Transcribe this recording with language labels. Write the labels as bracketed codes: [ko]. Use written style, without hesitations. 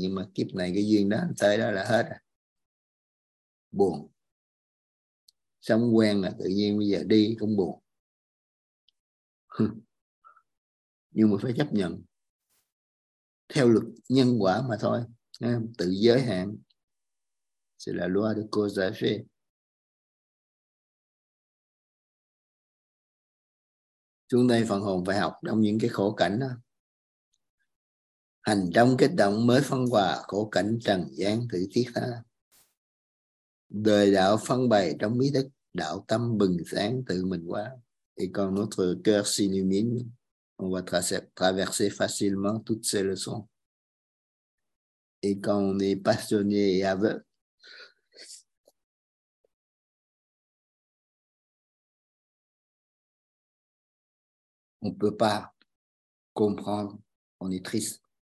[vi] Nhưng mà kiếp này cái duyên đó tới đó là hết à. Buồn. Sống quen là tự nhiên bây giờ đi cũng buồn. Nhưng mà phải chấp nhận theo luật nhân quả mà thôi. Tự giới hạn. [fr] C'est la loi de cause à effet. [vi] Xuống đây phần hồn phải học trong những cái khổ cảnh đó. Hành trong kích động mới phân hòa khổ cảnh trần gian thử thiết tha. Đời đạo phân bày trong ý thức, đạo tâm bừng sáng tự mình quá. [fr] Et quand notre cœur s'illumine, on va traverser facilement toutes ces leçons. Et quand on est passionné et aveugle, on ne peut pas comprendre, on est triste.